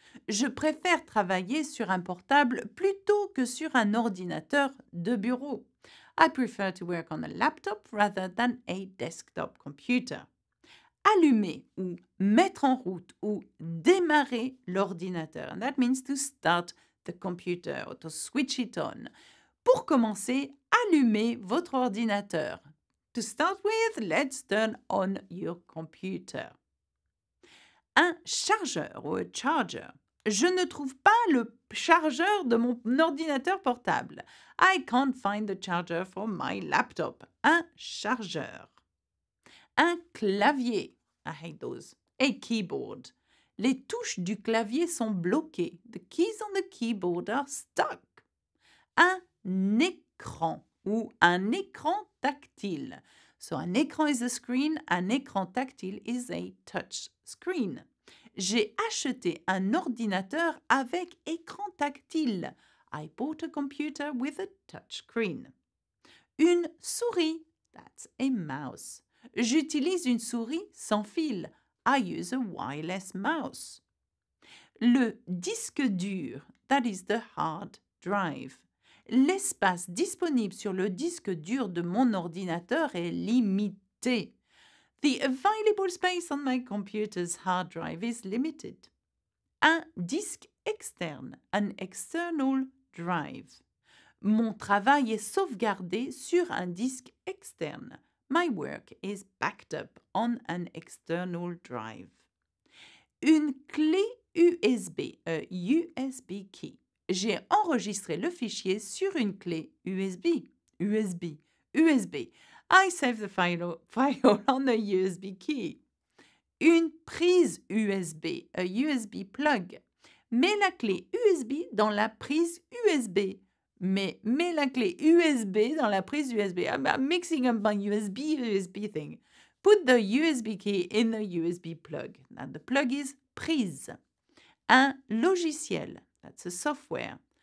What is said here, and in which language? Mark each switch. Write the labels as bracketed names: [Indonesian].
[French] Je préfère travailler sur un portable plutôt que sur un ordinateur de bureau. [English] I prefer to work on a laptop rather than a desktop computer. [French] Allumer ou mettre en route ou démarrer l'ordinateur. [English] And that means to start the computer, or to switch it on. [French] Pour commencer, allumez votre ordinateur. [English] To start with, let's turn on your computer. [French] Un chargeur, [English] or a charger. [French] Je ne trouve pas le chargeur de mon ordinateur portable. [English] I can't find the charger for my laptop. [French] Un chargeur. Un clavier. [English] I hate those. A keyboard. [French] Les touches du clavier sont bloquées. [English] The keys on the keyboard are stuck. [French] Un écran ou un écran tactile. [English] So [French] un écran [English] is a screen, [French] un écran tactile [English] is a touch screen. [French] J'ai acheté un ordinateur avec écran tactile. [English] I bought a computer with a touch screen. [French] Une souris, [English] that's a mouse. [French] J'utilise une souris sans fil. [English] I use a wireless mouse. [French] Le disque dur, [English] that is the hard drive. [French] L'espace disponible sur le disque dur de mon ordinateur est limité. [English] The available space on my computer's hard drive is limited. [French] Un disque externe, [English] an external drive. [French] Mon travail est sauvegardé sur un disque externe. [English] My work is backed up on an external drive. [French] Une clé USB, [English] a USB key. [French] J'ai enregistré le fichier sur une clé USB. USB. [English] I save the file on a USB key. [French] Une prise USB, [English] a USB plug. [French] Mets la clé USB dans la prise USB. Mets la clé USB dans la prise USB. [English] I'm mixing up my USB thing. Put the USB key in the USB plug. Now the plug is prise. [French] Un logiciel. [English] That's a software.